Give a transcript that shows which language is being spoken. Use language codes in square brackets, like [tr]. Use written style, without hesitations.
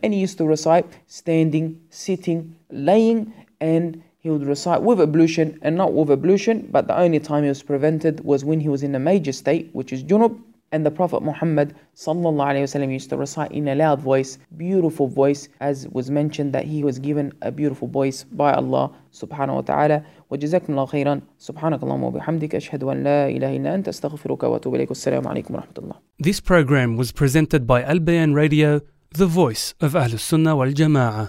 [en] And he used to recite standing, sitting, laying, and he would recite with ablution and not with ablution. But the only time he was prevented was when he was in a major state, which is junub. And the Prophet Muhammad sallallahu alayhi wa sallam used to recite in a loud voice, beautiful voice, as was mentioned that he was given a beautiful voice by Allah subhanahu wa ta'ala. [ar] وجزاكم الله خيرا سبحانك اللهم وبحمدك أشهد أن لا إله إلا أنت أستغفرك وأتوب إليك السلام عليكم ورحمة الله. [en] This program was presented by Al Bayan Radio, the voice of Ahlus Sunnah wal Jama'ah.